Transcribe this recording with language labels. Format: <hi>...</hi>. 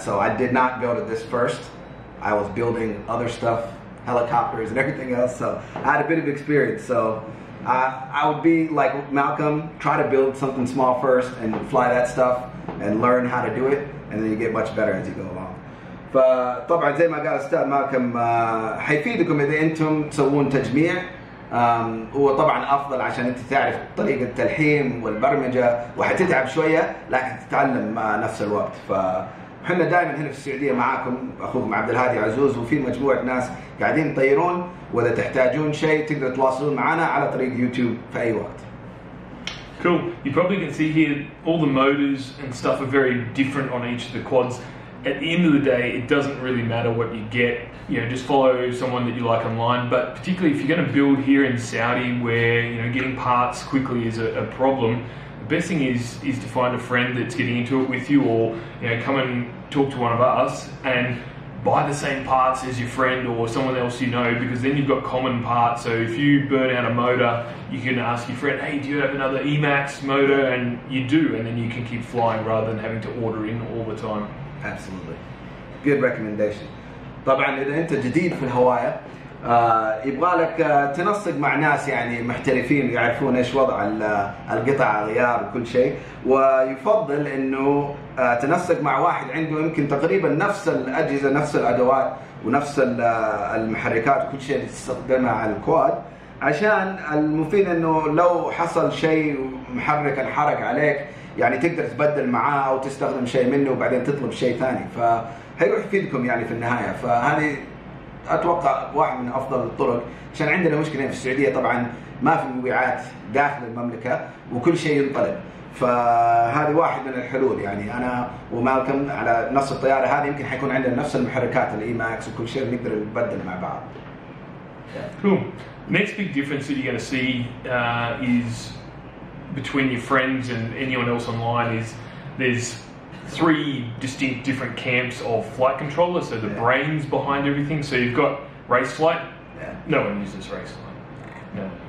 <en>So I did not build it this first. I was building other stuff, helicopters and everything else, so I had a bit of experience. So I would be like Malcolm, try to build something small first and fly that stuff and learn how to do it, and then you get much better as you go along.</en> <ar>فطبعا زي ما قال استاذ مالكم حيفيدكم اذا انتم تسوون تجميع. هو طبعا افضل عشان انت تعرف طريقه التلحيم والبرمجه وحتتعب شويه لكن تتعلم نفس الوقت. احنا دائما هنا في السعوديه معاكم اخوكم عبد الهادي عزوز وفي مجموعه ناس قاعدين يطيرون واذا تحتاجون شيء تقدر تواصلون معنا على طريق يوتيوب في اي وقت.</ar> <en>Cool. cool. You probably can see here all the motors and stuff are very different on each of the quads. At the end of the day, it doesn't really matter what you get. You know, just follow someone that you like online. But particularly if you're going to build here in Saudi where, you know, getting parts quickly is a problem, the best thing is to find a friend that's getting into it with you, or, you know, come and talk to one of us and buy the same parts as your friend or someone else you know, because then you've got common parts. So if you burn out a motor, you can ask your friend, hey, do you have another Emax motor? And you do, and then you can keep flying rather than having to order in all the time. Absolutely. Good recommendation.</en> <ar>طبعا اذا انت جديد في الهواية يبغالك تنسق مع ناس يعني محترفين يعرفون ايش وضع القطع الغيار وكل شيء, ويفضل انه تنسق مع واحد عنده يمكن تقريبا نفس الأجهزة نفس الأدوات ونفس المحركات وكل شيء تستخدمها على الكواد, عشان المفيد انه لو حصل شيء محرك انحرك عليك يعني تقدر تبدل معاه او تستخدم شيء منه وبعدين تطلب شيء ثاني, فهيروح يفيدكم يعني في النهاية. فهذه اتوقع واحد من افضل الطرق, عشان عندنا مشكله في السعوديه طبعا ما في مبيعات داخل المملكه وكل شيء ينطلب, فهذه واحد من الحلول. يعني انا ومالكم على نفس الطياره هذه يمكن حيكون عندنا نفس المحركات الاي ماكس وكل شيء نقدر نبدل مع بعض.</ar> <en>Cool. Next big difference that you're going to see is between your friends and anyone else online is there's three distinct different camps of flight controllers, so the brains behind everything. So you've got race flight. Yeah. No one uses race flight. No.</en>